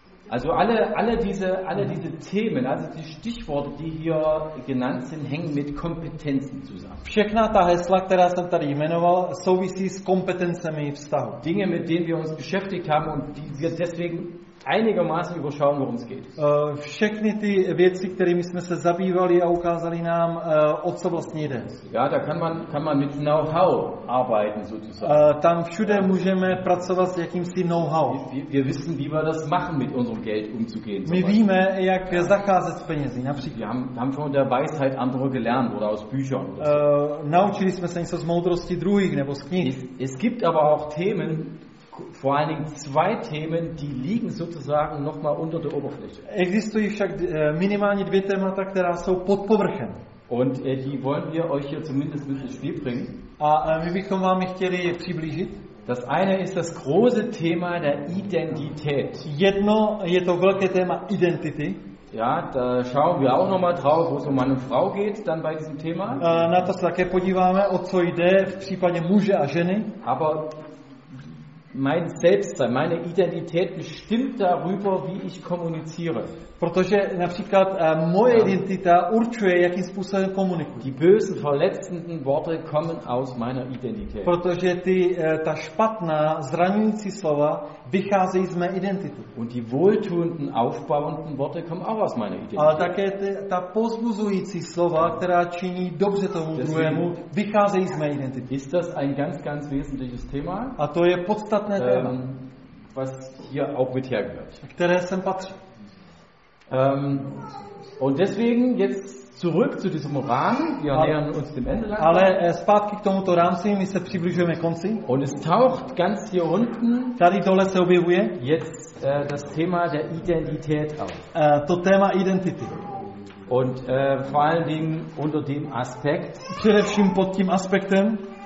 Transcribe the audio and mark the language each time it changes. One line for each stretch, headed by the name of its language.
German: Also alle diese Themen, also die Stichworte, die hier genannt sind, hängen mit Kompetenzen zusammen.
Czech: Všechna ta hesla, která jsem tady jmenoval, souvisí s kompetencemi vztahu.
German: Dinge, mit denen wir uns beschäftigt haben und die wir deswegen einigermaßen überschauen, worum es geht.
Czech: Všechny ty věci, kterými jsme se zabývali a ukázali nám, o co vlastně jde.
German: Ja, da kann man mit Know-how arbeiten, sozusagen.
Czech: Tam všude můžeme pracovat s jakýmsi Know-how.
German: Wir wissen, wie wir das machen, mit unserem Geld umzugehen.
Czech: My víme, jak zacházet s penězi, například.
German: Wir haben schon der Weisheit anderer gelernt, oder aus Büchern.
Czech: Naučili jsme se něco z moudrosti druhých, nebo z knih.
German: Es gibt aber auch Themen, vor allen Dingen zwei Themen, die liegen sozusagen noch mal unter der Oberfläche.
Czech: Existují však minimálně dvě témata, která jsou pod povrchem.
German: Und die wollen wir euch hier zumindest ein bisschen Spiel bringen.
Czech: A my bychom vám chtěli přiblížit.
German: Das eine ist das große Thema der Identität.
Czech: Jedno je to velké téma identity.
German: Ja, da schauen wir auch noch mal drauf, wo es um Mann und Frau geht, dann bei diesem Thema.
Czech: Na to se také podíváme, o co jde v případě muže a ženy.
German: Aber mein Selbstsein, meine Identität bestimmt darüber, wie ich kommuniziere.
Czech: Protože například moje identita určuje, jakým způsobem komunikuji.
German: Die bösen, verletzenden Worte kommen aus meiner Identität.
Czech: Protože ta špatná, zraňující slova vycházejí z mé identity.
German: Und die wohltuenden, aufbauenden Worte kommen auch aus meiner Identität.
Czech: Ale také ta pozbuzující slova, která činí dobře tomu druhému, vycházejí z mé identity.
German: Ist das ein ganz, ganz wesentliches Thema?
Czech: A to je podstatné téma.
German: Was hier auch mit hergehört.
Czech: Které sem patří.
German: Und deswegen jetzt zurück zu diesem Rahmen, wir nähern uns dem Ende langsam.
Czech: Ale zpátky k tomuto rámci, my se přibližujeme konci.
German: Und es taucht ganz hier unten,
Czech: tady dole se objevuje,
German: jetzt das Thema der Identität auf.
Czech: To téma identity.
German: Und vor allen Dingen unter dem Aspekt,
Czech: především pod tím aspektem,